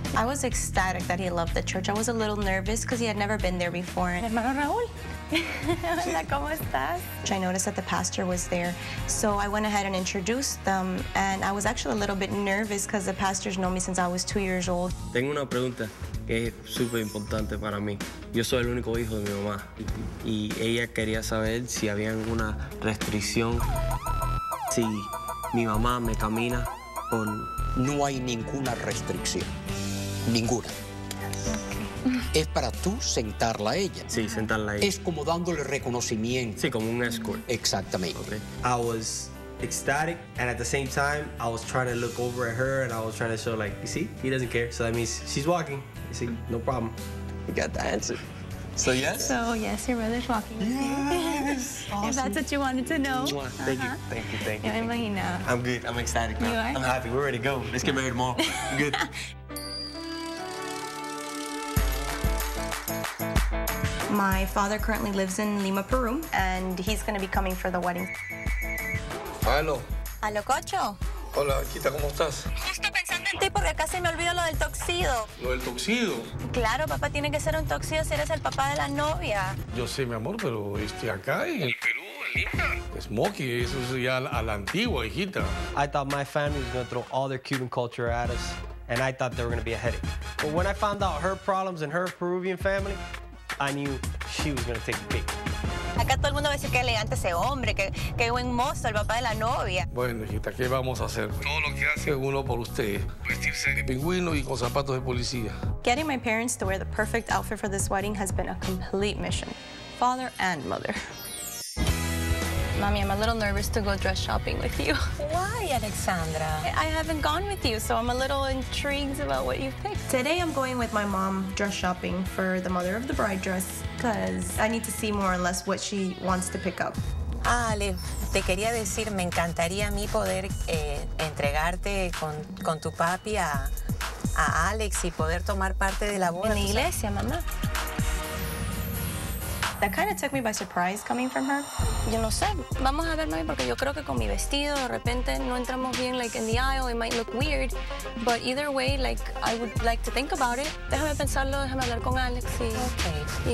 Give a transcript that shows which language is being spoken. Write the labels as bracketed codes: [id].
[en] I was ecstatic that he loved the church. I was a little nervous because he had never been there before. Hermano Raul. [es] Hola, ¿cómo estás? [en] I noticed that the pastor was there, so I went ahead and introduced them, and I was actually a little bit nervous because the pastor's known me since I was 2 years old. [es] Tengo una pregunta que es súper importante para mí. Yo soy el único hijo de mi mamá, y ella quería saber si había alguna restricción, si mi mamá me camina con... No hay ninguna restricción, ninguna. Es para tú sentarla a ella. Sí, sentarla a ella. Es como dándole reconocimiento. Sí, como un escort. Exactamente. [en] Okay. I was ecstatic, and at the same time, I was trying to look over at her, and I was trying to show, like, you see, he doesn't care. So that means she's walking. You see, no problem. You got the answer. So, yes? So, yes, your brother's walking. Yes! Awesome. If that's what you wanted to know. Thank you. I'm good. I'm ecstatic, man. You are? I'm happy. We're ready to go. Let's get married tomorrow. I'm good. My father currently lives in Lima, Peru, and he's going to be coming for the wedding. [es] Aló. Aló, cocho. Hola, chita, ¿cómo estás? Justo pensando en ti porque acá se me olvidó lo del tuxedo. ¿Lo del tuxedo? Claro, papá, tiene que ser un tuxedo si eres el papá de la novia. Yo sé, mi amor, pero acá en el Perú, en Lima. Smokey, eso es ya a la antigua, hijita. [en] I thought my family was going to throw all their Cuban culture at us, and I thought they were going to be a headache. But when I found out her problems and her Peruvian family, I knew she was gonna take a pic. [es] Acá todo el mundo va a decir que elegante ese hombre, que buen mozo, el papá de la novia. Bueno, hijita, ¿qué vamos a hacer? Todo lo que hace uno por usted. Vestirse de pingüino y con zapatos de policía. [en] Getting my parents to wear the perfect outfit for this wedding has been a complete mission, father and mother. Mommy, I'm a little nervous to go dress shopping with you. Why, Alexandra? I haven't gone with you, so I'm a little intrigued about what you've picked. Today, I'm going with my mom dress shopping for the mother of the bride dress, because I need to see more or less what she wants to pick up. [es] Ale, te quería decir, me encantaría a mí poder entregarte con tu papi a Alex y poder tomar parte de la boda. En la iglesia, mamá. [en] That kind of took me by surprise coming from her. [es] Yo no sé. Vamos a ver, mami, porque yo creo que con mi vestido, de repente, no entramos bien, [en] like, in the aisle. It might look weird. But either way, like, I would like to think about it. [es] Déjame pensarlo, déjame hablar con Alex y... [en] Okay.